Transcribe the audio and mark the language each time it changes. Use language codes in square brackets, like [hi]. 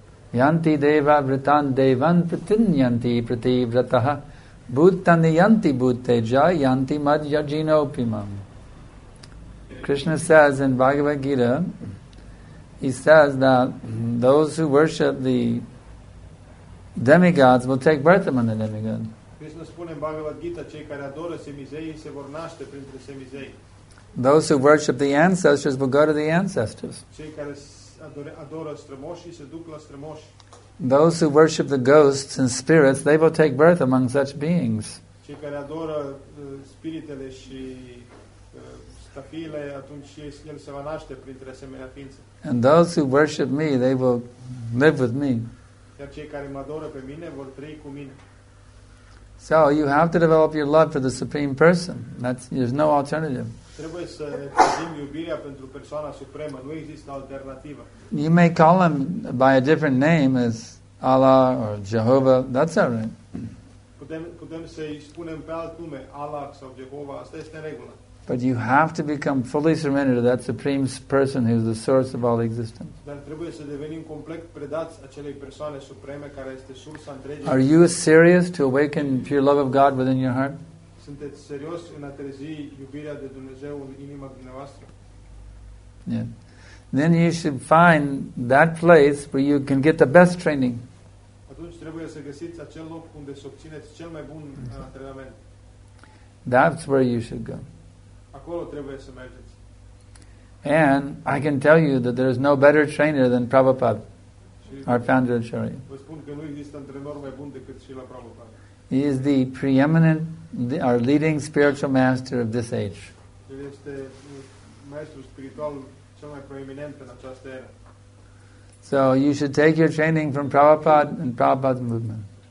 [sa] Yanti deva vritan devan pratinyanti prati vrataha bhutani yanti bhuteja yanti madhyajino pimam. [en] Krishna says in Bhagavad Gita, he says that those who worship the demigods will take birth among the demigods. [ro] Krishna spune in Bhagavad Gita, cei care adoră semizei se vor naște printre semizei. [en] Those who worship the ancestors will go to the ancestors. [ro] Cei care adoră strămoșii se duc la strămoși. [en] Those who worship the ghosts and spirits, they will take birth among such beings. [ro] Cei care adoră spiritele și stafiile, atunci el se va naște printre asemenea ființe. [en] And those who worship me, they will live with me. [ro] Iar cei care mă adoră pe mine vor trăi cu mine. [en] So you have to develop your love for the Supreme Person. There's no alternative. [ro] Trebuie să trăim iubirea pentru persoana supremă. Nu există alternativă. [en] You may call him by a different name as Allah or Jehovah. That's all right. [ro] Putem să-i spunem pe alt nume, Allah sau Jehovah. Asta este regulă. [en] But you have to become fully surrendered to that Supreme Person who is the source of all existence. [ro] Dar trebuie să devenim complet predați acelei persoane supreme care este sursa întregii. [en] Are you serious to awaken pure love of God within your heart? [ro] Sunteți serios în a trezi iubirea de Dumnezeu în inima dumneavoastră? [en] Yeah. Then you should find that place where you can get the best training. [ro] Atunci trebuie să găsiți acel loc unde să obțineți cel mai bun antrenament. [en] That's where you should go. [ro] Acolo trebuie să mergeți. [en] And I can tell you that there is no better trainer than Prabhupada, our founder of Acharya. [ro] Vă spun că nu există antrenor mai bun decât Srila Prabhupada. [en] He is the preeminent, our leading spiritual master of this age. [ro] El este maestru spiritual cel mai preeminent în această era. [en] So you should take your training from Prabhupada and Prabhupada's movement.